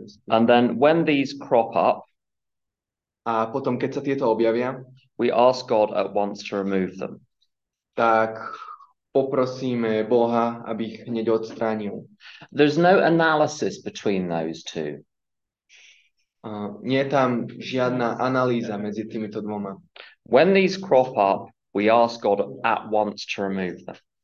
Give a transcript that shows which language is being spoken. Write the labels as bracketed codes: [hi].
[en] And then when these crop up, [sk] a potom keď sa tieto objavia, [en] we ask God at once to remove them. [sk] Tak poprosíme Boha, aby ich hneď odstránil. [en] There's no analysis between those two. [sk] Nie je tam žiadna analýza medzi týmito dvoma. [en] When these crop up, we ask God at once to remove them.